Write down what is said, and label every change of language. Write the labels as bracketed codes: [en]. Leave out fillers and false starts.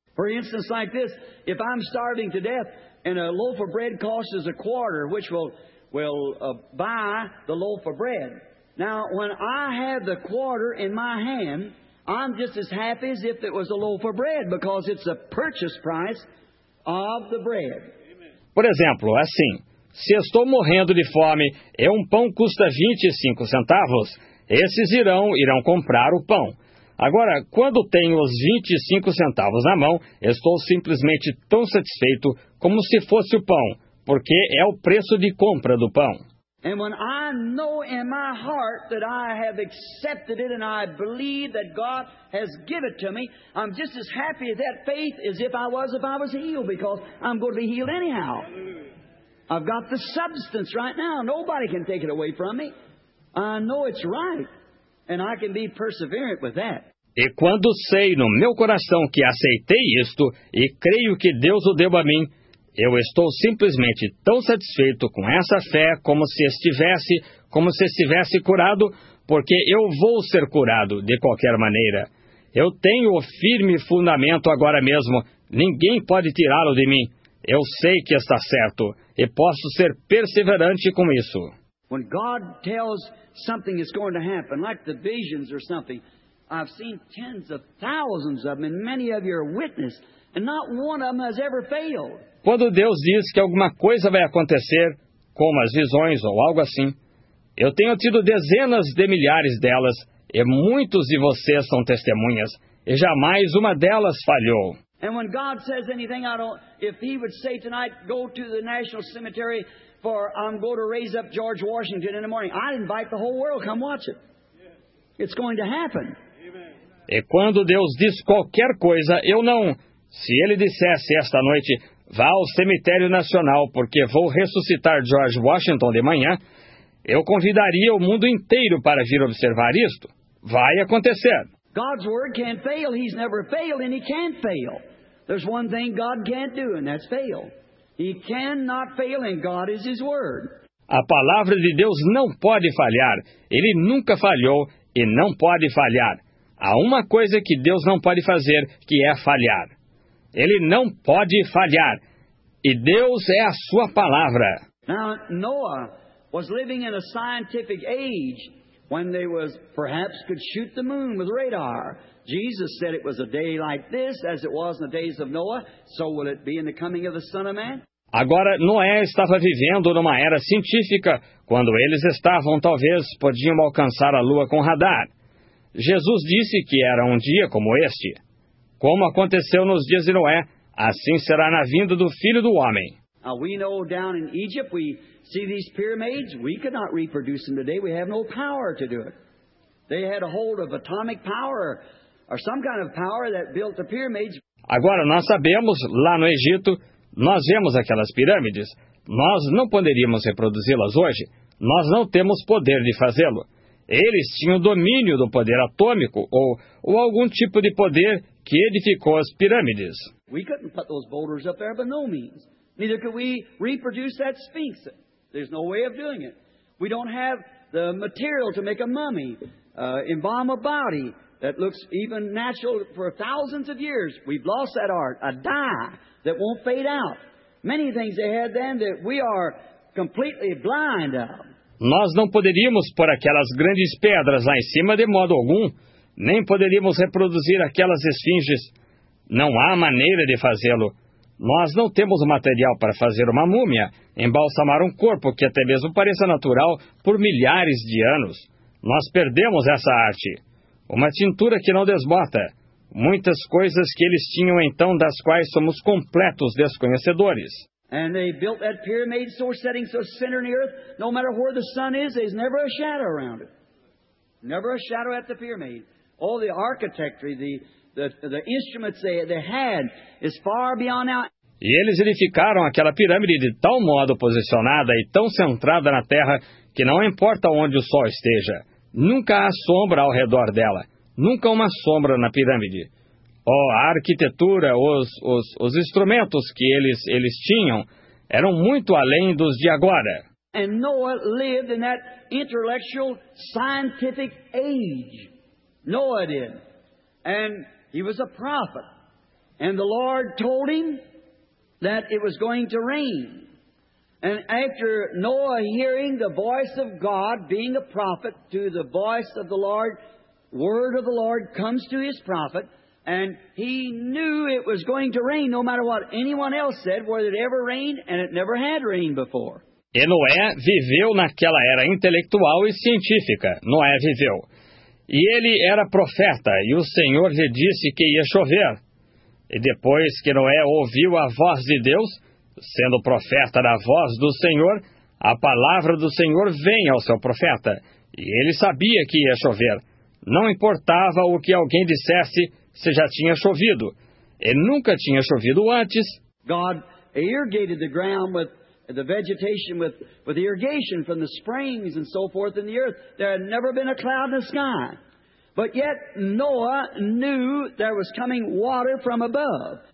[en] For instance, like this, if I'm starving to death and a loaf of bread costs a quarter, which will buy the loaf of bread. Now, when I have the quarter in my hand, I'm just as happy as if it was a loaf of bread, because it's a purchase price of the bread. [pt] Por exemplo, assim, se estou morrendo de fome e um pão custa 25 centavos, esses irão comprar o pão. Agora, quando tenho os 25 centavos na mão, estou simplesmente tão satisfeito como se fosse o pão, porque é o preço de compra do pão. [en] And when I know in my heart that I have accepted it and I believe that God has given it to me, I'm just as happy with that faith as if I was healed, because I'm going to be healed anyhow. I've got the substance right now. Nobody can take it away from me. I know it's right, and I can be perseverant with that. [pt] E quando sei no meu coração que aceitei isto e creio que Deus o deu a mim, eu estou simplesmente tão satisfeito com essa fé como se estivesse curado, porque eu vou ser curado de qualquer maneira. Eu tenho o firme fundamento agora mesmo. Ninguém pode tirá-lo de mim. Eu sei que está certo e posso ser perseverante com isso. [en] When God tells something is going to happen, like the visions or something, I've seen tens of thousands of them, and many of you are witness, and not one of them has ever failed. [pt] Quando Deus diz que alguma coisa vai acontecer, como as visões ou algo assim, eu tenho tido dezenas de milhares delas, e muitos de vocês são testemunhas, e jamais uma delas falhou. [en] And when God says anything, I don't, if he would say tonight, go to the National Cemetery, for I'm going to raise up George Washington in the morning, I'd invite the whole world, come watch it. It's going to happen. [pt] E quando Deus diz qualquer coisa, eu não. Se ele dissesse esta noite, vá ao cemitério nacional porque vou ressuscitar George Washington de manhã, eu convidaria o mundo inteiro para vir observar isto. Vai acontecer. [en] God's word can't fail. He's never failed and he can't fail. There's one thing God can't do and that's fail. He cannot fail and God is his word. [pt] A palavra de Deus não pode falhar. Ele nunca falhou e não pode falhar. Há uma coisa que Deus não pode fazer, que é falhar. Ele não pode falhar. E Deus é a sua palavra. [en] Now, Noah was living in a scientific age when they was perhaps could shoot the moon with radar. Jesus said it was a day like this as it was in the days of Noah, so will it be in the coming of the Son of Man? [pt] Agora, Noé estava vivendo numa era científica, quando eles estavam, talvez, podiam alcançar a lua com radar. Jesus disse que era um dia como este. Como aconteceu nos dias de Noé, assim será na vinda do Filho do Homem. [en] We know down in Egypt, we see these pyramids. We could not reproduce them today. We have no power to do it. They had a hold of atomic power, or some kind of power that built the pyramids. [pt] Agora, nós sabemos, lá no Egito, nós vemos aquelas pirâmides. Nós não poderíamos reproduzi-las hoje. Nós não temos poder de fazê-lo. Eles tinham domínio do poder atômico ou algum tipo de poder que edificou as pirâmides. [en] We couldn't put those boulders up there by no means. Neither could we reproduce that Sphinx. There's no way of doing it. We don't have the material to make a mummy, embalm a body that looks even natural for thousands of years. We've lost that art, a dye that won't fade out. Many things they had then that we are completely blind of. [pt] Nós não poderíamos pôr aquelas grandes pedras lá em cima de modo algum, nem poderíamos reproduzir aquelas esfinges. Não há maneira de fazê-lo. Nós não temos o material para fazer uma múmia, embalsamar um corpo que até mesmo pareça natural por milhares de anos. Nós perdemos essa arte. Uma tintura que não desbota. Muitas coisas que eles tinham então das quais somos completos desconhecedores. [en] And they built that pyramid so setting so center in the earth, no matter where the sun is, there's never a shadow around it. Never a shadow at the pyramid. All the architecture, the instruments they had is far beyond out. [pt] E eles edificaram aquela pirâmide de tal modo posicionada e tão centrada na terra que não importa onde o sol esteja, nunca há sombra ao redor dela. Nunca uma sombra na pirâmide. A arquitetura, os instrumentos que eles tinham eram muito além dos de agora. [en] And Noah lived in that intellectual scientific age. Noah did. And he was a prophet. And the Lord told him that it was going to rain. And after Noah hearing the voice of God, being a prophet to the voice of the Lord, word of the Lord comes to his prophet, and he knew it was going to rain no matter what anyone else said, whether it ever rained, and it never had rained before. [pt] E Noé viveu naquela era intelectual e científica. Noé viveu. E ele era profeta, e o Senhor lhe disse que ia chover. E depois que Noé ouviu a voz de Deus, sendo profeta da voz do Senhor, a palavra do Senhor vem ao seu profeta, e ele sabia que ia chover. Não importava o que alguém dissesse, se já tinha chovido. E nunca tinha chovido antes. [en] God irrigated the ground with the vegetation with irrigation from the springs and so forth in the earth. There had never been a cloud in the sky. But yet Noah knew there was coming water from above.